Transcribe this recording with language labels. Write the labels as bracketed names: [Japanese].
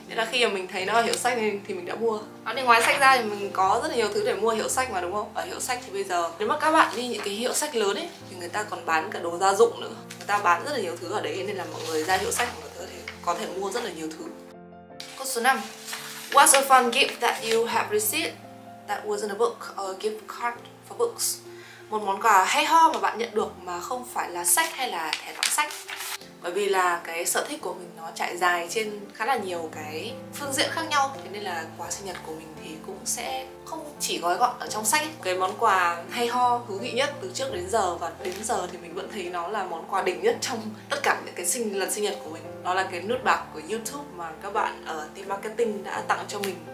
[Vietnamese] Nên là khi mà mình thấy nó ở hiệu sách thì mình đã mua. Nói đến ngoài sách ra thì mình có rất là nhiều thứ để mua hiệu sách mà đúng không? Ở hiệu sách thì bây giờ nếu mà các bạn đi những cái hiệu sách lớn ấy thì người ta còn bán cả đồ gia dụng nữa. Người ta bán rất là nhiều thứ ở đấy nên là mọi người ra hiệu sách mọi người có thể mua rất là nhiều thứ. Câu số 5. [English] What's a fun gift that you have received that wasn't a book or a gift card for books? [Vietnamese] Một món quà hay ho mà bạn nhận được mà không phải là sách hay là thẻ đọc sách. Bởi vì là cái sở thích của mình nó trải dài trên khá là nhiều cái phương diện khác nhau. Thế nên là quà sinh nhật của mình thì cũng sẽ không chỉ gói gọn ở trong sách. Cái món quà hay ho, thú vị nhất từ trước đến giờ và đến giờ thì mình vẫn thấy nó là món quà đỉnh nhất trong tất cả những cái lần sinh nhật của mình. Đó là cái nút bạc của YouTube mà các bạn ở team marketing đã tặng cho mình